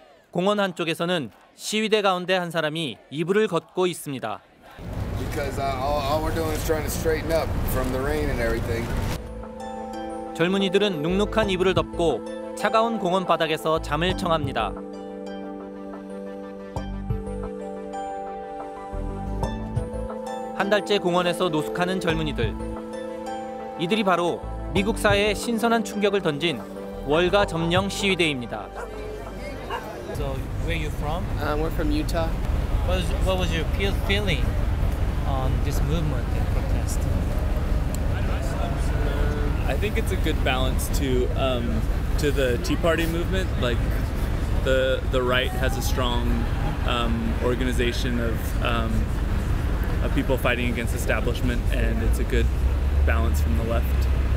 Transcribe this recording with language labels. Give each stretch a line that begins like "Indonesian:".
Korean: 공원 한쪽에서는 시위대 가운데 한 사람이 이불을 걷고 있습니다.
English: Because all we're doing is trying to straighten up from the rain and everything.
Korean: 젊은이들은 눅눅한 이불을 덮고 차가운 공원 바닥에서 잠을 청합니다. 한 달째 공원에서 노숙하는 젊은이들. 이들이 바로 미국 사회에 신선한 충격을 던진 월가 점령 시위대입니다.
English: So, where are you from? We're from Utah. What was your feeling on this movement and protest? I think it's a good balance to the Tea Party movement. Like the right has a strong organization of people fighting against establishment, and it's a good balance from the left.